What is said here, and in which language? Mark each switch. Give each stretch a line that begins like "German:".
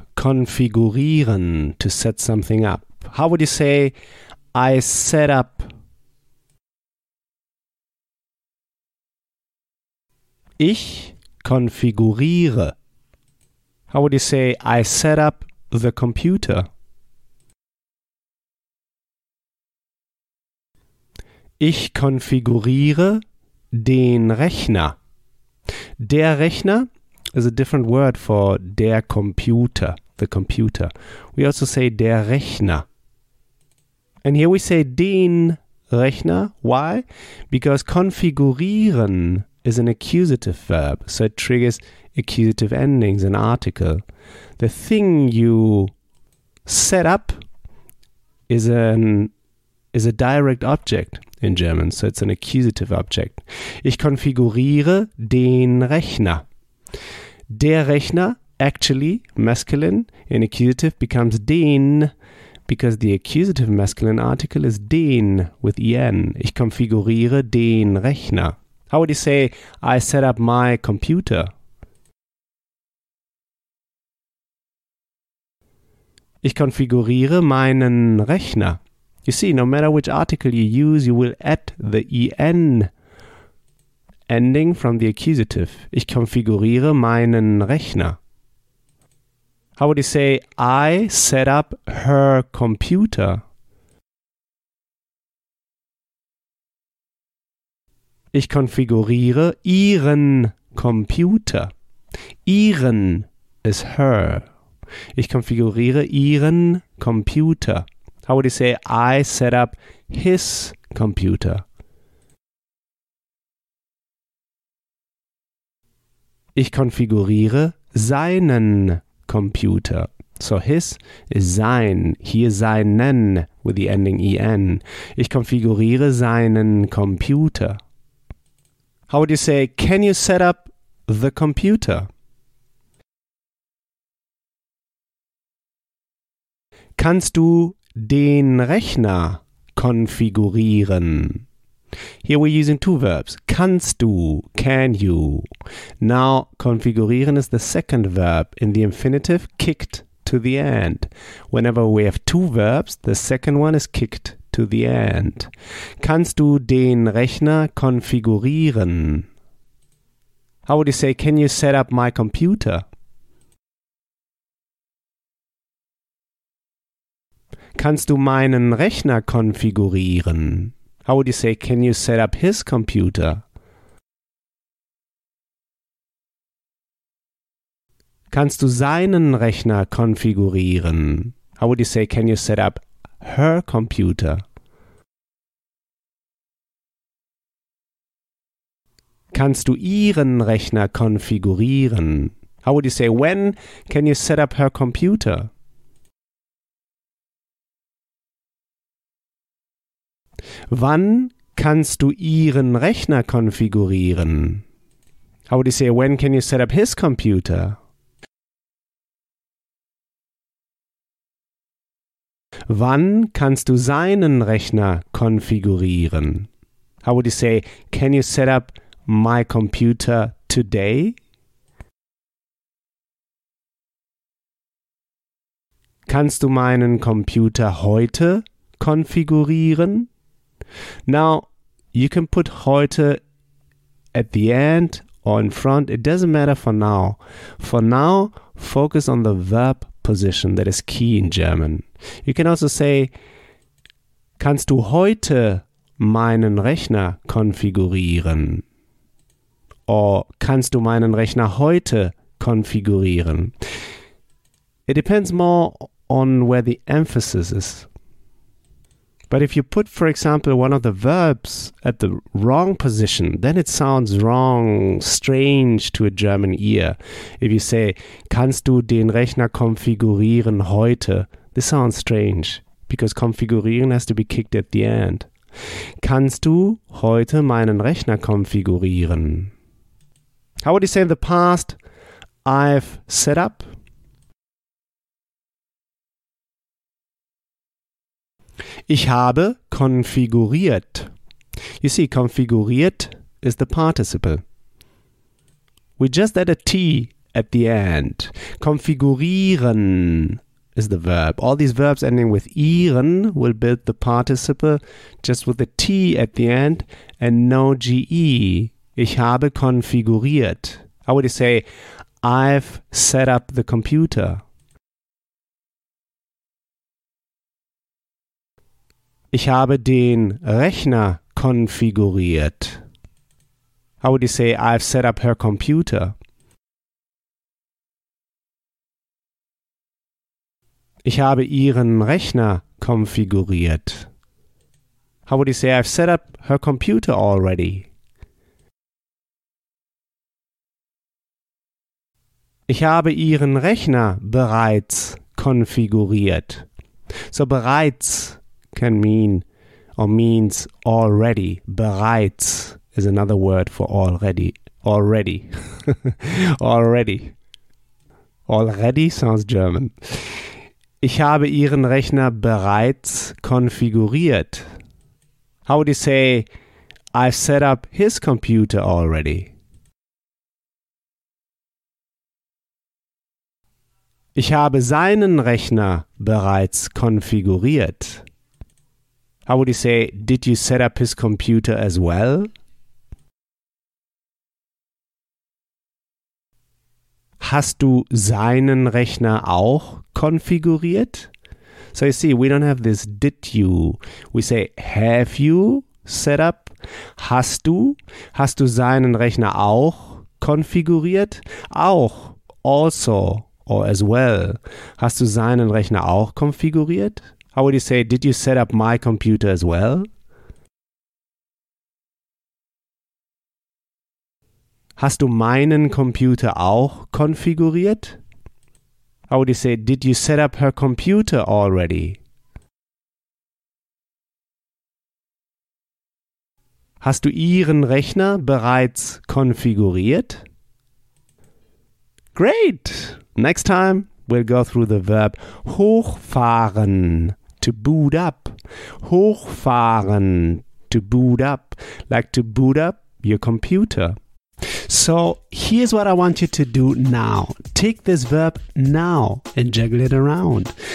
English: Konfigurieren, to set something up. How would you say, I set up?
German: Ich konfiguriere.
English: How would you say, I set up the computer?
German: Ich konfiguriere den Rechner.
English: Der Rechner is a different word for der Computer, the computer. We also say der Rechner. And here we say den Rechner. Why? Because konfigurieren is an accusative verb, so it triggers accusative endings, an article. The thing you set up is a direct object in German, so it's an accusative object.
German: Ich konfiguriere den Rechner.
English: Der Rechner, actually, masculine, in accusative, becomes den, because the accusative masculine article is den, with en.
German: Ich konfiguriere den Rechner.
English: How would you say, I set up my computer?
German: Ich konfiguriere meinen Rechner.
English: You see, no matter which article you use, you will add the en ending from the accusative.
German: Ich konfiguriere meinen Rechner.
English: How would you say, I set up her computer?
German: Ich konfiguriere ihren Computer. Ihren
English: is her.
German: Ich konfiguriere ihren Computer.
English: How would you say, I set up his computer?
German: Ich konfiguriere seinen Computer.
English: So his is sein. Hier seinen with the ending en.
German: Ich konfiguriere seinen Computer.
English: How would you say, can you set up the computer?
German: Kannst du den Rechner konfigurieren?
English: Here we're using two verbs.
German: Kannst du,
English: can you. Now, konfigurieren is the second verb in the infinitive, kicked to the end. Whenever we have two verbs, the second one is kicked to the end.
German: Kannst du den Rechner konfigurieren?
English: How would you say, can you set up my computer?
German: Kannst du meinen Rechner konfigurieren?
English: How would you say, can you set up his computer?
German: Kannst du seinen Rechner konfigurieren?
English: How would you say, can you set up her computer?
German: Kannst du ihren Rechner konfigurieren?
English: How would you say, when can you set up her computer?
German: Wann kannst du ihren Rechner konfigurieren?
English: How would you say, when can you set up his computer?
German: Wann kannst du seinen Rechner konfigurieren?
English: How would you say, can you set up my computer today?
German: Kannst du meinen Computer heute konfigurieren?
English: Now, you can put heute at the end or in front. It doesn't matter for now. For now, focus on the verb position that is key in German. You can also say,
German: kannst du heute meinen Rechner konfigurieren? Or, kannst du meinen Rechner heute konfigurieren?
English: It depends more on where the emphasis is. But if you put, for example, one of the verbs at the wrong position, then it sounds wrong, strange to a German ear. If you say,
German: kannst du den Rechner konfigurieren heute?
English: This sounds strange, because konfigurieren has to be kicked at the end.
German: Kannst du heute meinen Rechner konfigurieren?
English: How would you say in the past, I've set up?
German: Ich habe konfiguriert.
English: You see, konfiguriert is the participle. We just add a T at the end. Konfigurieren is the verb. All these verbs ending with ihren will build the participle just with a T at the end and no GE.
German: Ich habe konfiguriert.
English: How would you say, I've set up the computer?
German: Ich habe den Rechner konfiguriert.
English: How would you say, I've set up her computer?
German: Ich habe ihren Rechner konfiguriert.
English: How would you say, I've set up her computer already?
German: Ich habe ihren Rechner bereits konfiguriert.
English: So bereits can mean or means already. Bereits is another word for already. Already. Already. Already sounds German.
German: Ich habe ihren Rechner bereits konfiguriert.
English: How would you say, I've set up his computer already?
German: Ich habe seinen Rechner bereits konfiguriert.
English: How would you say, did you set up his computer as well?
German: Hast du seinen Rechner auch konfiguriert?
English: So you see, we don't have this did you. We say, have you set up?
German: Hast du seinen Rechner auch konfiguriert? Auch,
English: also, or as well.
German: Hast du seinen Rechner auch konfiguriert?
English: How would you say, did you set up my computer as well?
German: Hast du meinen Computer auch konfiguriert?
English: How would you say, did you set up her computer already?
German: Hast du ihren Rechner bereits konfiguriert?
English: Great! Next time, we'll go through the verb hochfahren, to boot up. Hochfahren, to boot up, like to boot up your computer. So, here's what I want you to do now. Take this verb now and juggle it around.